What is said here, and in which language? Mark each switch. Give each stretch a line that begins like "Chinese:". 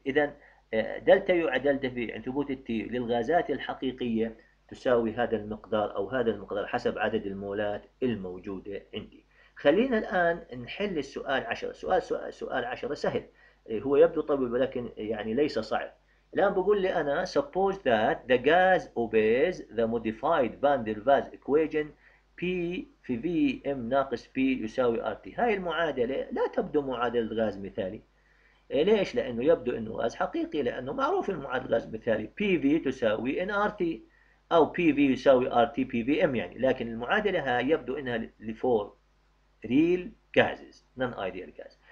Arabic: اذا دلتا يو على دلتا في عن ثبوت التي للغازات الحقيقيه تساوي هذا المقدار او هذا المقدار حسب عدد المولات الموجوده عندي. خلينا الان نحل السؤال 10. سؤال 10 سهل، هو يبدو طويل ولكن يعني ليس صعب. الآن بقول لي أنا
English: suppose that the gas obeys the modified van der Waals equation P في V M ناقص P يساوي RT.
Arabic: هاي المعادلة لا تبدو معادلة غاز مثالي. ليش؟ لأنه يبدو أنه غاز حقيقي، لأنه معروف المعادلة غاز مثالي PV تساوي NRT أو PV يساوي RT PVM يعني، لكن المعادلة هاي يبدو أنها لفور
English: real gases non ideal gas.